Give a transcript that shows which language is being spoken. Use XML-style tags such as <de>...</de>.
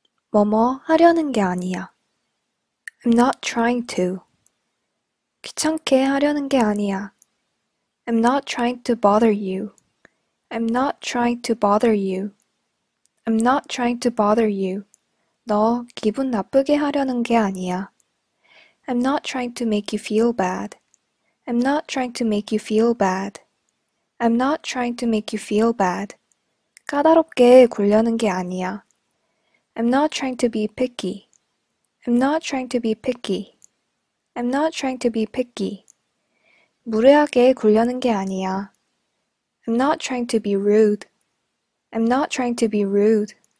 <ko>뭐뭐 하려는 게 아니야.</ko> <en>I'm not trying to.</en> <ko>귀찮게 하려는 게 아니야.</ko> <en>I'm not trying to bother you. I'm not trying to bother you. I'm not trying to bother you.</en> <ko>너 기분 나쁘게 하려는 게 아니야.</ko> <en>I'm not trying to make you feel bad. I'm not trying to make you feel bad. I'm not trying to make you feel bad.</en> <ko>까다롭게 굴려는 게 아니야.</ko> <en>I'm not trying to be picky. I'm not trying to be picky. I'm not trying to be picky.</en> <ko>무례하게 굴려는 게 아니야.</ko> <en>I'm not trying to be rude. I'm not trying to be rude.</en>